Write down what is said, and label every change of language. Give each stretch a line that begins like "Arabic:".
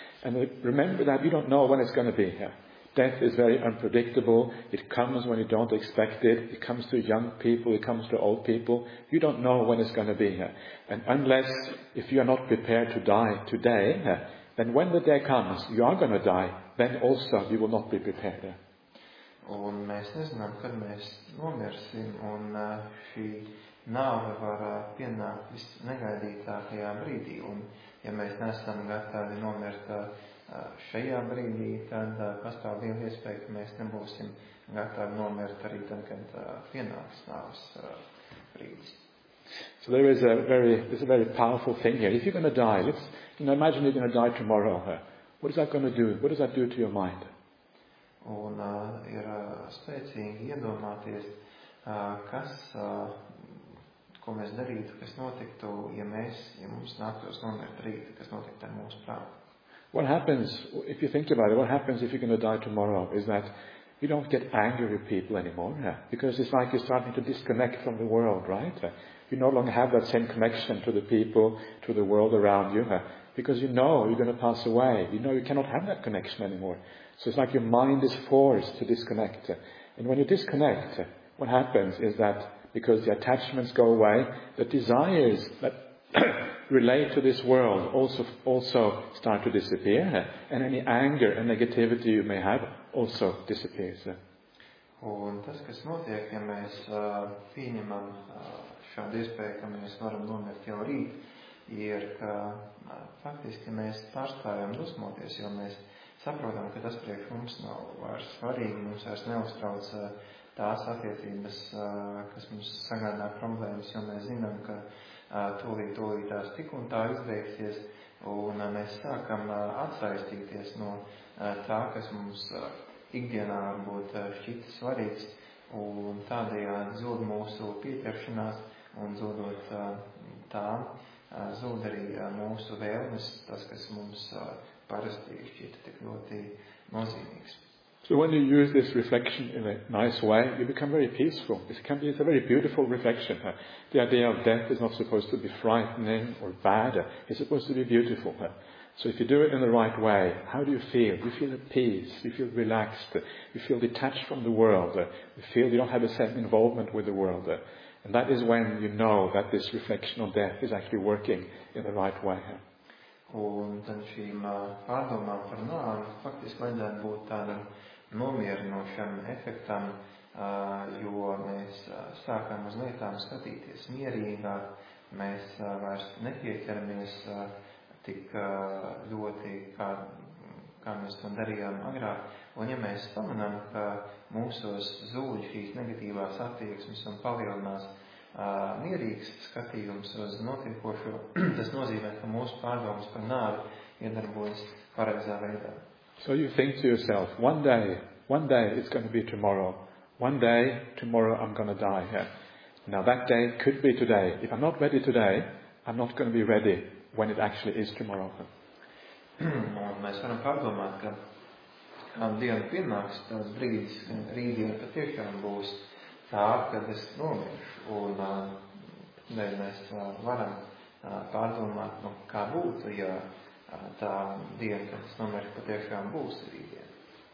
English: And remember that you don't know when it's going to be here. Death is very unpredictable. It comes when you don't expect it. It comes to young people. It comes to old people. You don't know when it's going to be here. And unless, if you are not prepared to die today, then when the day comes, you are going to die, then also you will not be prepared.
Latvian: Un mēs nezinām, kad mēs nomirsim, un šī nāve var pienākt visnegaidītākajā brīdī, un ja mēs neesam gatavi nomirt šajā brīdī, tad pastāv liela iespēja, ka mēs nebūsim gatavi nomirt arī tad, kad pienāks nāves brīdis.
English: So there is a very powerful thing here. If you're going to die, imagine you're going to die tomorrow. What is that going to do? What does that do to your mind?
Latvian: Un ir spēcīgi iedomāties, kas ko mēs darītu, kas notiktu, ja mums nāktos nomirt rīt, kas notiktu ar mūsu prātu.
English: What happens if you think about it? What happens if you're going to die tomorrow? Is that you don't get angry with people anymore, because it's like you're starting to disconnect from the world, right? You no longer have that same connection to the people, to the world around you, because you know you're going to pass away. You know you cannot have that connection anymore. So it's like your mind is forced to disconnect. And when you disconnect, what happens is that because the attachments go away, the desires that relate to this world also start to disappear, and any anger and negativity you may have also disappears.
Latvian: Un tas, kas notiek, ja mēs pieņemam šādu iespēju, ka mēs varam nomirt jau rīt, ir, ka faktiski mēs pārstājam dusmoties, jo mēs saprotam, ka tas priekš mums nav vairs svarīgi, mums vairs neuztrauc tās attiecības, kas mums sagādā problēmas, jo mēs zinām, ka tūlīt tās tik un tā izbeigsies, un mēs sākam atsaistīties no tā, kas mums ikdienā varbūt šķita svarīgs, un tādējādi zūd mūsu pieķeršanās, un zūdot tā, zūd arī mūsu vēlmes, tas, kas mums parasti šķita tik ļoti nozīmīgs.
English: So when you use this reflection in a nice way, you become very peaceful. It's a very beautiful reflection. The idea of death is not supposed to be frightening or bad. It's supposed to be beautiful. So if you do it in the right way, how do you feel? You feel at peace. You feel relaxed. You feel detached from the world. You feel you don't have a certain involvement with the world. And that is when you know that this reflection on death is actually working in the right way.
Latvian: Un tad šīm pārdomām par nāvi faktiski vajadzētu būt tādam nomierinošam efektam, jo mēs sākam uz lietām skatīties mierīgāk, mēs vairs nepieķeramies tik ļoti, kā mēs to darījām agrāk, un ja mēs pamanām, ka mūsos zūļ šīs negatīvās attieksmes un palielinās mierīgs skatījums uz notiekošo, tas nozīmē, ka mūsu pārdomas par nāvi iedarbojas pareizā veidā.
English: So you think to yourself, one day it's going to be tomorrow. One day, tomorrow I'm going to die. Yeah. Now that day could be today. If I'm not ready today, I'm not going to be ready when it actually is tomorrow.
Latvian: Un mēs varam pārdomāt, ka kādu dienu pienāks tas brīdis, ka rītdiena patiešām būs tā, kad es nomiršu, un mēs varam pārdomāt, nu, kā būtu, ja tā diena, kad es nomiršu, patiešām būs rītdiena.